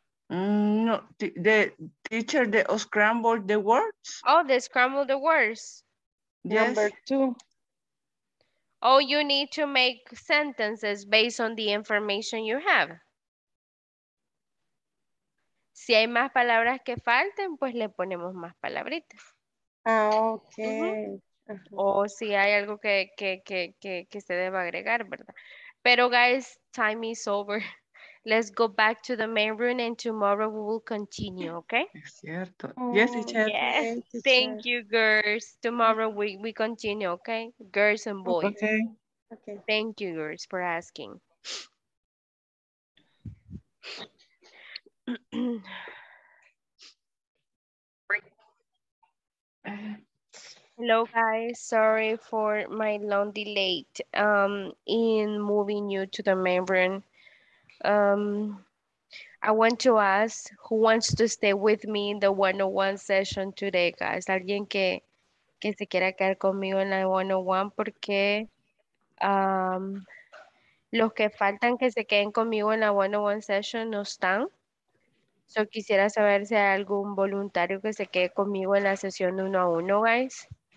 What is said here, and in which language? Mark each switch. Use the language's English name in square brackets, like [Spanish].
[English] No, the teacher, the scramble the words. Oh, the scramble the words. Yes. Number two. Oh, you need to make sentences based on the information you have. [Spanish] Si hay más palabras que falten, pues le ponemos más palabritas. Ah, ok. Uh-huh. Uh-huh. O si hay algo que se deba agregar, ¿verdad? [English] Pero, guys, time is over. Let's go back to the main room and tomorrow we will continue, okay? Es cierto. Oh, yes, teacher. Yes. Thank you, girls. Tomorrow we continue, okay? Girls and boys. Okay. Okay. Thank you, girls, for asking. Hello, guys. Sorry for my long delay in moving you to the main room. I want to ask who wants to stay with me in the 101 session today, guys. [Spanish] Alguien que se quiera quedar conmigo en la 101 porque los que faltan que se queden conmigo en la 101 session no están. So quisiera saber si hay algún voluntario que se quede conmigo en la sesión 1-1, guys.